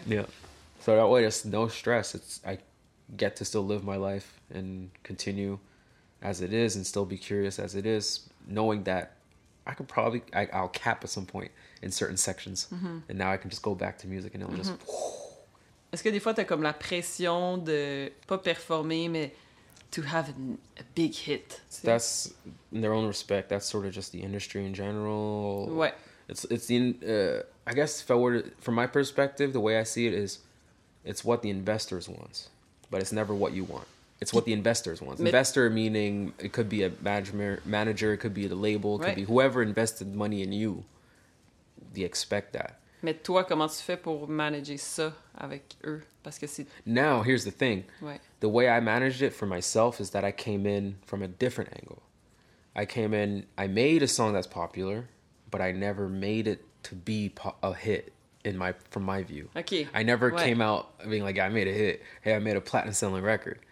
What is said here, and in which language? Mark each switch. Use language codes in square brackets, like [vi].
[en] Yeah. So that way, there's no stress. I get to still live my life and continue as it is and still be curious as it is, knowing that I could probably... I'll cap at some point in certain sections. Mm-hmm. And now I can just go back to music and it'll just... [fr] Est-ce que des fois, t'as comme la pression de pas performer, mais [en] to have a big hit? [fr] T'sais? [en] That's, in their own respect, that's sort of just the industry in general. [fr] Ouais. [en] It's the, I guess, if I were to, from my perspective, the way I see it is, it's what the investors want, but it's never what you want. It's what the investors want. Mais... Investor meaning, it could be a manager, it could be the label, it could be whoever invested money in you, they expect that. [fr] Mais toi, comment tu fais pour manager ça avec eux? Parce que c'est... [en] Now, here's the thing. [fr] Ouais. [en] The way I managed it for myself is that I came in from a different angle. I came in, I made a song that's popular, but I never made it to be a hit in my from my view. Okay. I never came out being like, yeah, I made a hit. Hey, I made a platinum selling record.